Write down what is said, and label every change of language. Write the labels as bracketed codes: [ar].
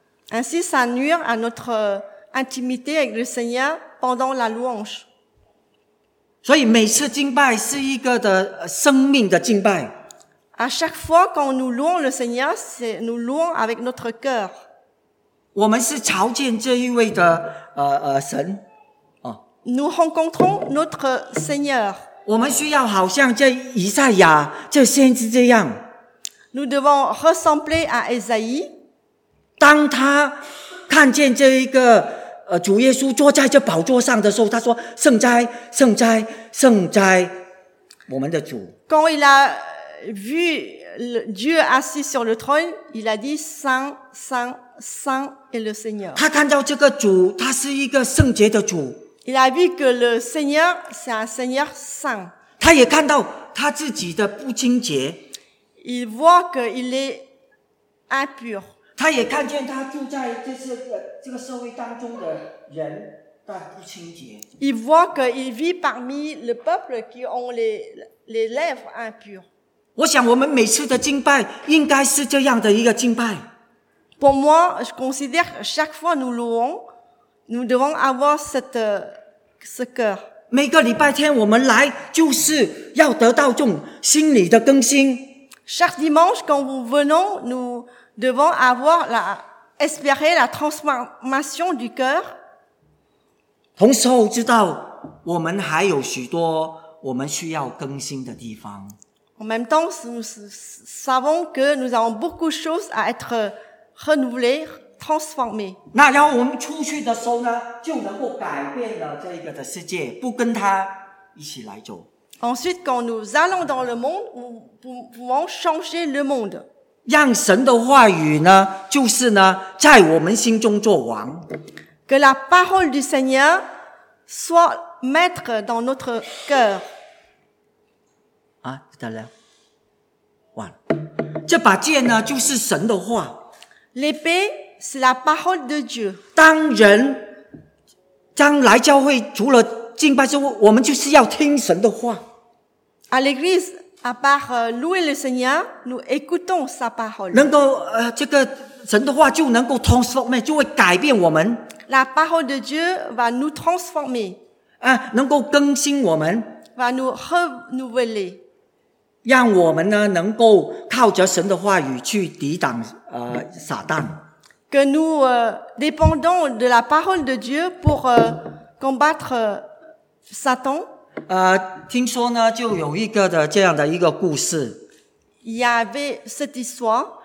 [fr] Ainsi, ça nuit à notre intimité avec le Seigneur pendant la louange. [zh] 所以每次敬拜是一个的生命的敬拜。 [fr] À chaque fois, quand nous louons le Seigneur, c'est nous louons avec notre cœur. [zh] 我们是朝见这一位的神啊。 [fr] Nous rencontrons notre Seigneur。 [zh] 我们需要好像这以赛亚这先知这样。 [fr] Nous devons ressembler à Ésaïe。 [zh] 当他看见这一个主耶稣坐在这宝座上的时候，他说：“圣哉，圣哉，圣哉，我们的主。” [fr] Quand il a vu Dieu assis sur le trône, il a dit Saint, Saint, Saint est le Seigneur. [zh] 他看到这个主，他是一个圣洁的主。 [fr] Il a vu que le Seigneur c'est un Seigneur saint. [zh] 他也看到他自己的不清洁。 [fr] Il voit qu'il est impur. [zh] 他也看见他住在这个社会当中的人。 [fr] Il voit qu'il vit parmi le peuple qui ont les lèvres impures. [zh] 我想我们每次的敬拜应该是这样的一个敬拜。 [fr] Pour moi, je considère chaque fois nous louons, nous devons avoir ce cœur. [zh] 每个礼拜天我们来就是要得到这种心理的更新。 [fr] Chaque dimanche quand nous venons, nous devons avoir espérer la transformation du cœur. [zh] 同时候知道我们还有许多我们需要更新的地方。 [fr] En même temps, nous savons que nous avons beaucoup de choses à être renouvelées, transformées. [zh] 那然后我们出去的时候呢，就能够改变了这一个的世界，不跟他一起来走。 [fr] Ensuite, quand nous allons dans le monde, nous pouvons changer le monde. [zh] 让神的话语呢，就是呢，在我们心中做王。 [fr] Que la parole du Seigneur soit maître dans notre cœur. Ah, tout à l'heure. Voilà. [zh] 这把剑呢，就是神的话。 [fr] L'épée, c'est la parole de Dieu. [zh] 当人将来教会，除了敬拜之外，我们就是要听神的话。 [fr] À l'église, à part louer le Seigneur, nous écoutons sa parole. [zh] 能够这个神的话就能够 [fr] transformer， [zh] 就会改变我们。 [fr] La parole de Dieu va nous transformer. [zh] 啊，能够更新我们。 [fr] Va nous renouveler. [zh] 让我们呢能够靠着神的话语去抵挡撒旦。 [fr] Que nous dépendons de la parole de Dieu pour combattre Satan. [zh] 听说呢就有一个的这样的一个故事。 [fr] Il y avait cette histoire.